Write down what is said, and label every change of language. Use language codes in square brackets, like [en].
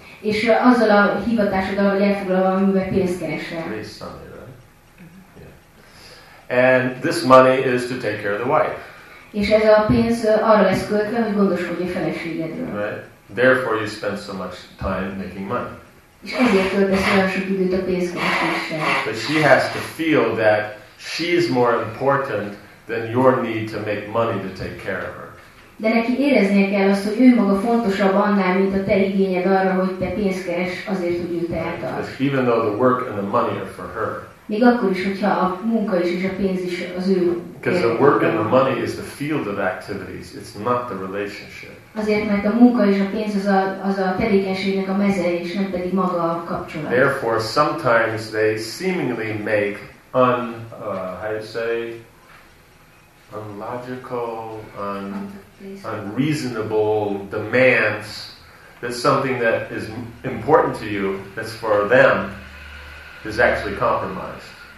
[hu] És azzal a hivatásoddal, hogy elfoglalva, amivel pénzt keresel. [en] Raise some money, right? Yeah. And this money is to take care of the wife. [hu] És ez a pénz arra lesz költve, hogy gondoskodj a feleségedről. [en] Right. Therefore, you spend so much time making money. [hu] És ezért költesz olyan sok időt a pénz keresésre. [en] But she has to feel that she is more important than your need to make money to take care of her. [hu] De neki éreznie kell azt, hogy ő maga fontosabb annál, mint a te igényed arra, hogy te pénzt keres azért, hogy őt eltart. [en] Even though the work and the money are for her. [hu] Még akkor is, hogyha a munka is és a pénz is az ő. [en] Because the work and the money is the field of activities. It's not the relationship. [hu] Azért, mert a munka és a pénz az a tevékenységnek a meze, és nem pedig maga a kapcsolat. [en] Therefore, sometimes they seemingly make unreasonable demands. That's something that is important to you, that's for them, is actually compromised.